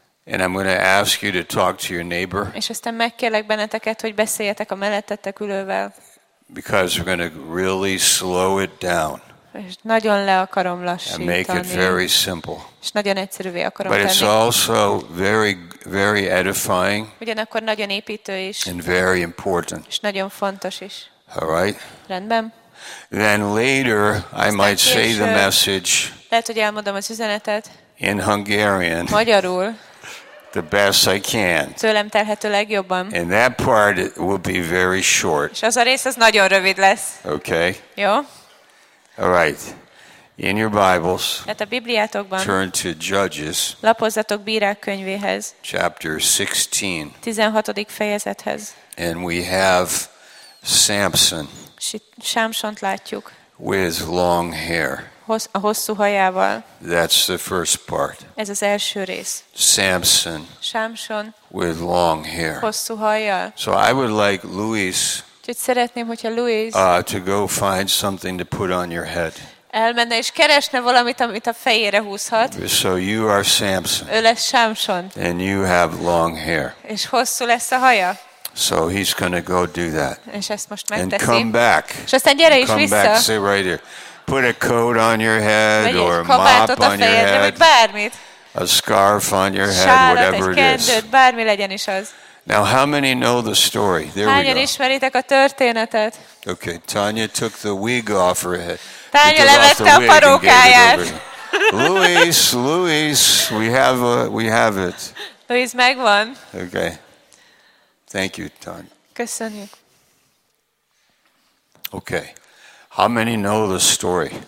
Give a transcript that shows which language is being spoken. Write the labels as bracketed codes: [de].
[en] And I'm going to ask you to talk to your neighbor. [hu] És aztán megkérlek benneteket, hogy beszéljetek a mellettetek ülővel. [en] Because we're going to really slow it down. [hu] És nagyon le akarom lassítani. [en] And make it very simple. [hu] És nagyon egyszerűvé akarom tenni. [en] But it's also very, very edifying. [hu] Ugyanakkor nagyon építő is. [en] And very important. [hu] És nagyon fontos is. [en] All right. [hu] Rendben. [en] Then later I might say the message. [hu] Lehet, hogy elmondom az üzenetet. [en] In Hungarian. [hu] Magyarul. [en] The best I can. [hu] Tőlem telhető legjobban. [en] And that part will be very short. [hu] És az a rész az nagyon rövid lesz. [en] Okay. [hu] Jó. [en] All right. In your Bibles. [hu] Hát a Bibliátokban. [en] Turn to Judges. [hu] Lapozzatok Bírák könyvéhez. [en] Chapter 16. [hu] 16. fejezethez. [en] And we have Samson. [hu] Sámsont látjuk. [en] With long hair. [hu] A hosszú hajával. [en] That's the first part. [hu] Ez az első rész. [en] Samson. [hu] Sámson. [en] With long hair. [hu] Hosszú hajjal. [en] So I would like Luis. [hu] Úgyhogy szeretném, hogyha Luis. [en] To go find something to put on your head. [hu] Elmenne és keresne valamit, amit a fejére húzhat. [en] So you are Samson. [hu] Ő lesz Sámson. [en] And you have long hair. [hu] És hosszú lesz a haja. [en] So he's going to go do that. [hu] És ezt most megteszi. [en] And come back. [hu] És aztán gyere is [en] come [hu] vissza. [en] Back, sit right here. Put a coat on your head or a mop on your head. [hu] Vagy bármit. [en] A scarf on your head, [hu] sálat, [en] whatever [hu] egy kendőt, [en] it is. [hu] Bármi legyen is az. [en] Now how many know the story? There [hu] Hányan [en] we go. [hu] Hányan ismeritek a történetet? [en] Okay, Tanya took the wig off her head. [hu] Tanya levette a parókáját. [en] Luis, we have it. [hu] Luis megvan. [en] Okay. Thank you, Tanya. [hu] Köszönjük. [en] Okay. How many know the story?